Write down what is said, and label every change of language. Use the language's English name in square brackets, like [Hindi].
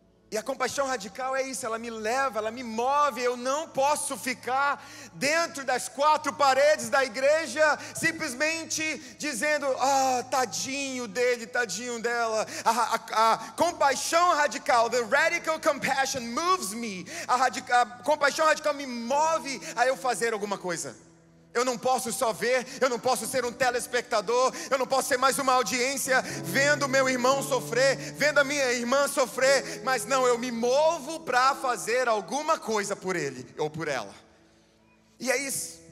[Portuguese] E a compaixão radical é isso, ela me leva, ela me move. Eu não posso ficar dentro das quatro paredes da igreja simplesmente dizendo: ah, tadinho dele, tadinho dela. A compaixão radical, [English] the radical compassion moves me. [Portuguese] A compaixão radical me move a eu fazer alguma coisa. Eu não posso só ver, eu não posso ser um telespectador, eu não posso ser mais uma audiência vendo meu irmão sofrer, vendo a minha irmã sofrer, mas não, eu me movo para fazer alguma coisa por ele ou por ela. E é isso.